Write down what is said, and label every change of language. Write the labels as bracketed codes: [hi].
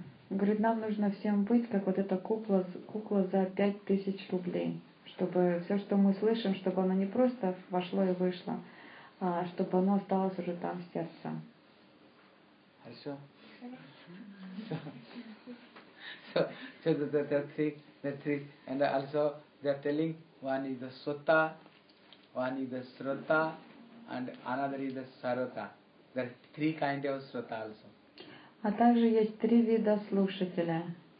[ru] Говорит, нам нужно всем быть, как вот эта кукла, кукла за 5000 рублей, чтобы все, что мы слышим, чтобы оно не просто вошло и вышло, а чтобы оно осталось уже там в сердце. Хорошо. [en] So there are three, and also they are telling one is the sota, one is the srota, and another is the sarota. There are three kinds of srota also. [ru] А также есть три вида слушателя.